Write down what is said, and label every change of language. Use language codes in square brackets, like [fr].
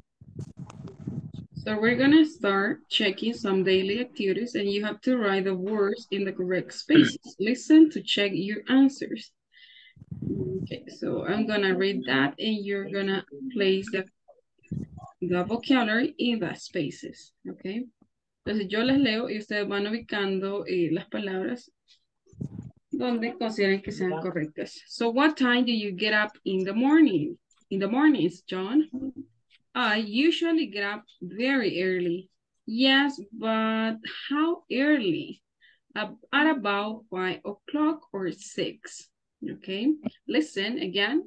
[en] English. Okay. So we're gonna start checking some daily activities, and you have to write the words in the correct spaces. Listen to check your answers. Okay, so I'm gonna read that, and you're gonna place the vocabulary in the spaces. Okay. [es] Entonces yo les leo y ustedes van ubicando las palabras donde consideren que sean correctas. [en] So what time do you get up in the morning? In the mornings, John? I usually get up very early. Yes, but how early? At about 5 o'clock or 6. Okay, listen again.